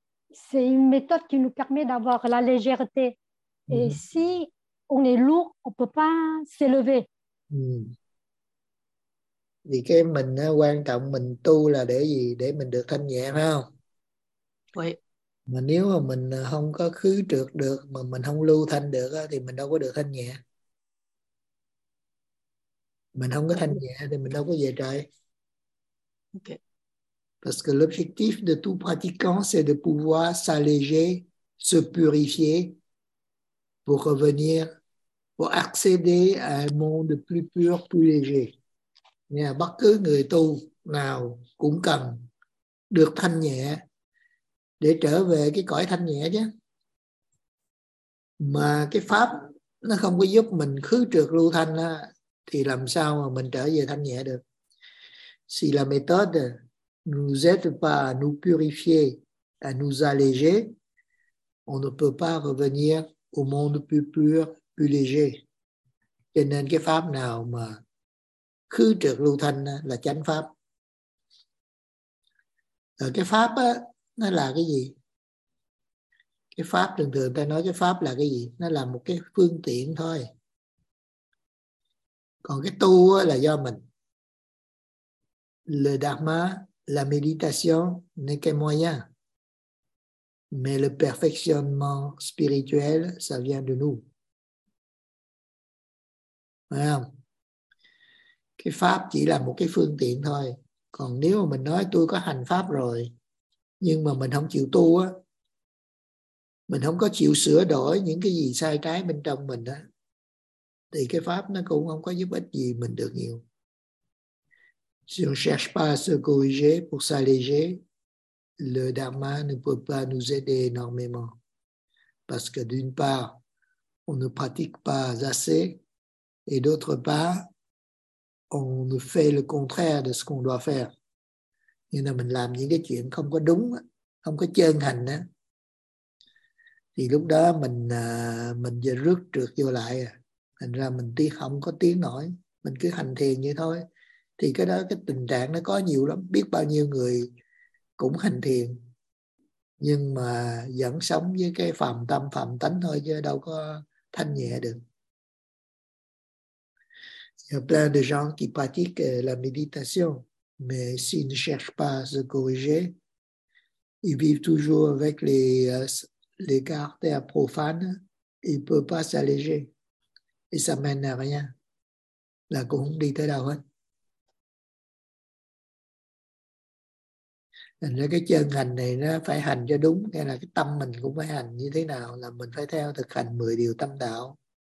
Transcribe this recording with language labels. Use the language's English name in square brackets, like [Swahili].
[French] C'est une méthode qui nous permet d'avoir la légèreté. Mm-hmm. Et si on est lourd, on ne peut pas s'élever. [Vietnamese] Vì cái mình quan trọng mình tu là để gì? Để mình được thanh nhẹ, phải không? [French] Oui. [Vietnamese] Mà nếu mà mình không có khứ trược được, mà mình không lưu thanh được thì mình đâu có được thanh nhẹ. Mình không có thanh nhẹ thì mình đâu có về trời. Ok. [French] Parce que l'objectif de tout pratiquant, c'est de pouvoir s'alléger, se purifier pour revenir, pour accéder à un monde plus pur, plus léger. [Vietnamese] Nghĩa là bất cứ người tu nào cũng cần được thanh nhẹ để trở về cái cõi thanh nhẹ chứ. Mà cái pháp nó không có giúp mình khứ trược lưu thanh á, thì làm sao mà mình trở về thanh nhẹ được. [French] Si la méthode nous aide pas à nous purifier, à nous alléger, on ne peut pas revenir au monde plus pur, plus léger. [Vietnamese] Cho nên cái pháp nào mà khứ trược lưu thanh là chánh pháp. Ở cái pháp á, nó là cái gì? Cái pháp thường thường ta nói cái pháp là cái gì? Nó là một cái phương tiện thôi. Còn cái tu á, là do mình. [French] Le dharma, la méditation n'est qu'un moyen. Mais le perfectionnement spirituel, ça vient de nous. [Vietnamese] Phải không? Cái pháp chỉ là một cái phương tiện thôi. Còn nếu mà mình nói tôi có hành pháp rồi, nhưng mà mình không chịu tu á, mình không có chịu sửa đổi những cái gì sai trái bên trong mình á, thì cái pháp nó cũng không có giúp ích gì mình được nhiều. [French] Si on cherche pas à se corriger pour s'alléger, le dharma ne peut pas nous aider énormément. Parce que d'une part, on ne pratique pas assez, et d'autre part, on ne fait le contraire de ce qu'on doit faire. [Vietnamese] Nhưng mà mình làm những cái chuyện không có đúng, không có chân hành á, thì lúc đó mình giờ rước trượt vô lại, thành ra mình tiếc không có tiếng nổi, mình cứ hành thiền vậy thôi. Thì cái đó, cái tình trạng nó có nhiều lắm, biết bao nhiêu người cũng hành thiền nhưng mà vẫn sống với cái phàm tâm phàm tánh thôi, chứ đâu có thanh nhẹ được. [French] Il y a plein de gens qui pratiquent la méditation, mais s'ils ne cherchent pas à se corriger, ils vivent toujours avec les caractères profanes, ils ne peuvent pas s'alléger. Et ça mène à rien. [Vietnamese] Là cũng không đi tới đâu hết. Thành ra cái chân hành này nó phải hành cho đúng, nghĩa là cái tâm mình cũng phải hành như thế nào, là mình phải theo thực hành 10 điều tâm đạo.